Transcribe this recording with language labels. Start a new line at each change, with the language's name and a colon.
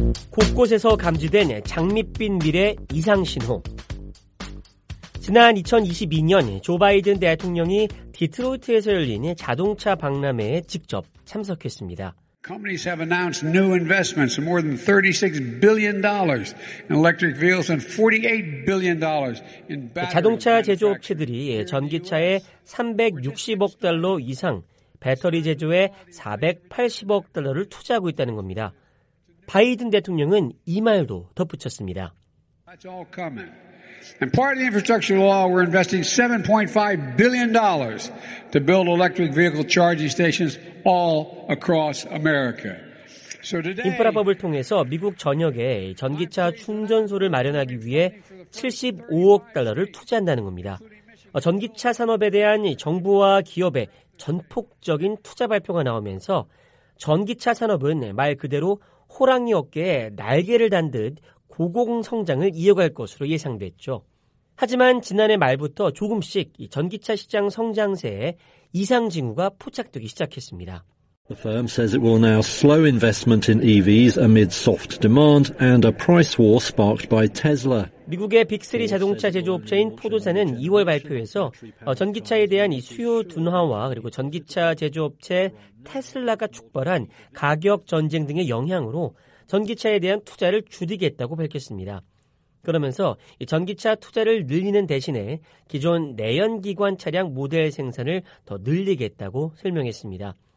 Korean: 곳곳에서 감지된 장밋빛 미래 이상신호. 지난 2022년 조 바이든 대통령이 디트로이트에서 열린 자동차 박람회에 직접 참석했습니다.
English: Companies have announced new investments of more than $36 billion in electric vehicles and $48 billion in batteries.
Korean: 자동차 제조업체들이 전기차에 360억 달러 이상, 배터리 제조에 480억 달러를 투자하고 있다는 겁니다. 바이든 대통령은 이 말도 덧붙였습니다.
English: That's all coming. And part of the infrastructure law, we're investing $7.5 billion to build electric vehicle charging stations all across America.
Korean: 인프라법을 통해서 미국 전역에 전기차 충전소를 마련하기 위해 75억 달러를 투자한다는 겁니다. 전기차 산업에 대한 정부와 기업의 전폭적인 투자 발표가 나오면서 전기차 산업은 말 그대로 호랑이 어깨에 날개를 단 듯 고공성장을 이어갈 것으로 예상됐죠. 하지만 지난해 말부터 조금씩 이 전기차 시장 성장세에 이상징후가 포착되기 시작했습니다.
English: The firm says it will now slow investment in EVs amid soft demand and a price war sparked by Tesla.
Korean: 미국의 빅3 자동차 제조업체인 포드사는 2월 발표에서 전기차에 대한 이 수요 둔화와 그리고 전기차 제조업체 테슬라가 촉발한 가격 전쟁 등의 영향으로 전기차에 대한 투자를 줄이겠다고 밝혔습니다. 그러면서 전기차 투자를 늘리는 대신에 기존 내연기관 차량 모델 생산을 더 늘리겠다고 설명했습니다.